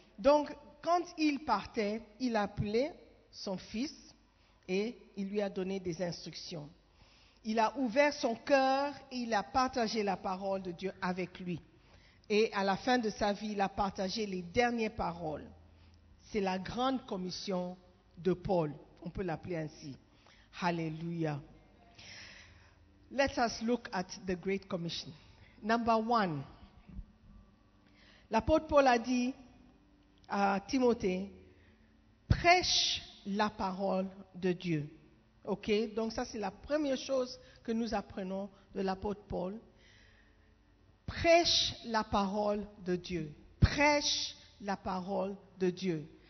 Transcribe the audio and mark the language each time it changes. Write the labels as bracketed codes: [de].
[fr] Donc, quand il partait, il appelait son fils et il lui a donné des instructions. Il a ouvert son cœur et il a partagé la parole de Dieu avec lui. Et à la fin de sa vie, il a partagé les dernières paroles. C'est la grande commission de Paul. On peut l'appeler ainsi. Alléluia. [en] Let us look at the Great Commission. Number one. [fr] L'apôtre Paul a dit à Timothée, prêche la parole de Dieu. Ok, donc ça c'est la première chose que nous apprenons de l'apôtre Paul. Prêche la parole de Dieu. Prêche la parole de Dieu.